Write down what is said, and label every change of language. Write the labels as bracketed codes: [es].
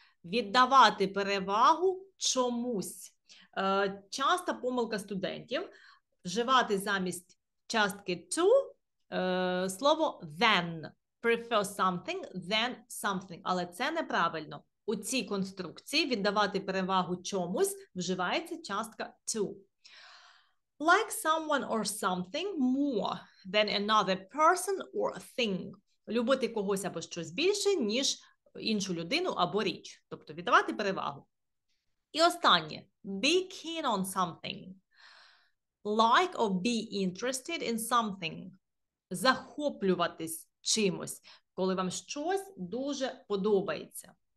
[uk] Віддавати перевагу чомусь. Часта помилка студентів – вживати замість частки to слово than. [en] Prefer something than something. [uk] Але це неправильно. У цій конструкції віддавати перевагу чомусь вживається частка to. [en] Like someone or something more than another person or thing. [uk] Любити когось або щось більше, ніж іншу людину або річ. Тобто віддавати перевагу. І останнє. [en] Be keen on something. Like or be interested in something. [uk] Захоплюватись чимось, коли вам щось дуже подобається.